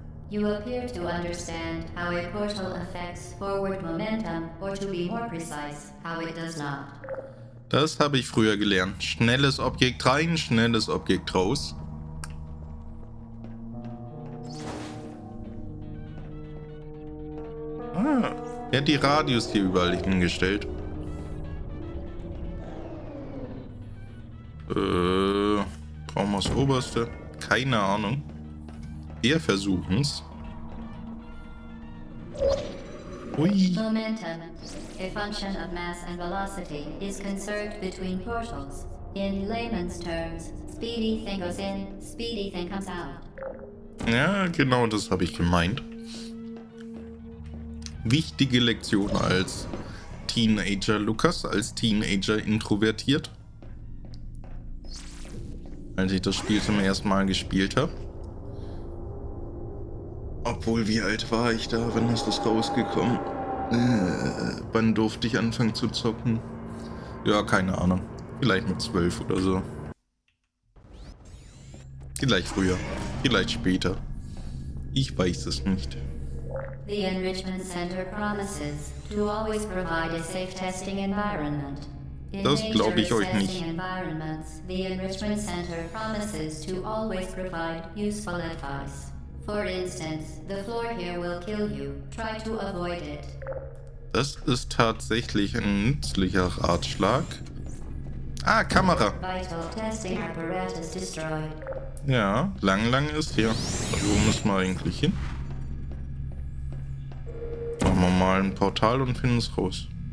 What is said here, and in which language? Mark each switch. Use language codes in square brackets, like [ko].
[en] You appear to understand how a portal affects forward momentum, or to be more precise, how it does not. [de] Das habe ich früher gelernt. Schnelles Objekt rein, schnelles Objekt raus. Ah, er hat die Radios hier überall hingestellt. Brauchen wir das Oberste? Keine Ahnung. Wir versuchen es. Ui. [en] Momentum, a function of mass and velocity, is conserved between portals. In layman's terms, speedy thing goes in, speedy thing comes out. [de] Ja, genau das habe ich gemeint. Wichtige Lektion als Teenager Lukas, als Teenager introvertiert. Als ich das Spiel zum ersten Mal gespielt habe. Obwohl, wie alt war ich da? Wann ist das rausgekommen? Wann durfte ich anfangen zu zocken? Ja, keine Ahnung. Vielleicht mit 12 oder so. Vielleicht früher. Vielleicht später. Ich weiß es nicht. [en] The Enrichment Center promises to always provide a safe testing environment. [de] Das glaube ich euch nicht. [en] The Enrichment Center promises to always provide useful advice. For instance, the floor here will kill you. Try to avoid it. [de] Das ist tatsächlich ein nützlicher Ratschlag. Ah, Kamera. [en] Vital testing apparatus destroyed. [de] Ja, lang, lang ist hier. Wo muss man eigentlich hin? Machen wir mal ein Portal und finden es raus.